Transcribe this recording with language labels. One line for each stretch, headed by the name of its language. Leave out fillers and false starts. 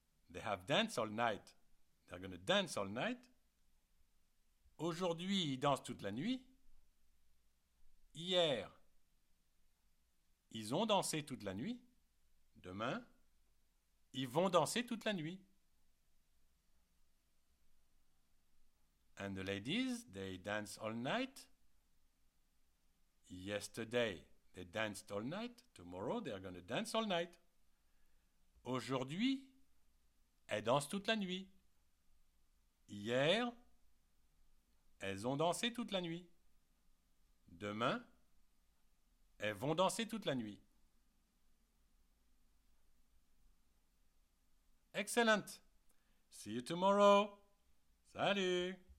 English: They have danced all night. They're going to dance all night.
French: Aujourd'hui, ils dansent toute la nuit. Hier, ils ont dansé toute la nuit. Demain, ils vont danser toute la nuit.
English: And the ladies, they dance all night. Yesterday, they danced all night. Tomorrow, they're going to dance all night.
French: Aujourd'hui, elles dansent toute la nuit. Hier, Elles ont dansé toute la nuit. Demain, elles vont danser toute la nuit.
English: Excellent. See you tomorrow. Salut.